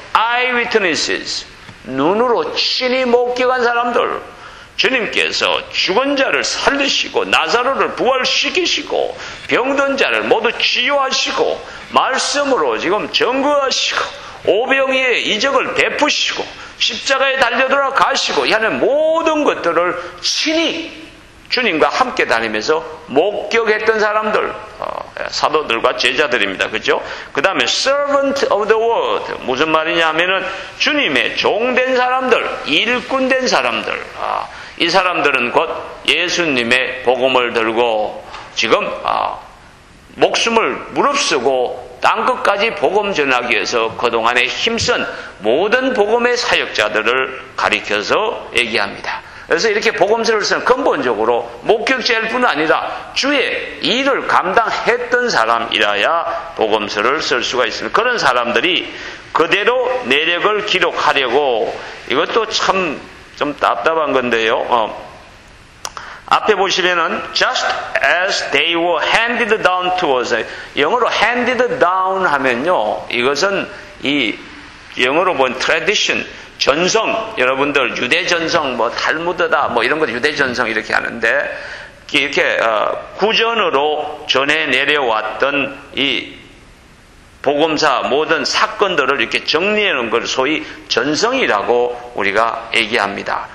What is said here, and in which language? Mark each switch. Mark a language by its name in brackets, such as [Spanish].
[Korean] eyewitnesses, 눈으로 친히 목격한 사람들, 주님께서 죽은 자를 살리시고 나사로를 부활시키시고 병든 자를 모두 치유하시고 말씀으로 지금 증거하시고 오병이의 이적을 베푸시고 십자가에 달려 돌아가시고 하는 모든 것들을 친히 주님과 함께 다니면서 목격했던 사람들, 사도들과 제자들입니다. 그죠? 그 다음에 [English] servant of the word. [Korean] 무슨 말이냐 하면은 주님의 종된 사람들, 일꾼된 사람들. 이 사람들은 곧 예수님의 복음을 들고 지금, 목숨을 무릅쓰고 땅 끝까지 복음 전하기 위해서 그동안에 힘쓴 모든 복음의 사역자들을 가리켜서 얘기합니다. 그래서 이렇게 복음서를 쓰는 근본적으로 목격자일 뿐 아니라 주의 일을 감당했던 사람이라야 복음서를 쓸 수가 있습니다. 그런 사람들이 그대로 내력을 기록하려고, 이것도 참 좀 답답한 건데요. 앞에 보시면은 [English] just as they were handed down to us. [Korean] 영어로 handed down 하면요, 이것은 이 영어로 본 tradition, 전성, 여러분들 유대전성, 뭐 탈무드다 뭐 이런 것도 유대전성 이렇게 하는데, 이렇게 구전으로 전해 내려왔던 이 복음사 모든 사건들을 이렇게 정리해 놓은 걸 소위 전성이라고 우리가 얘기합니다.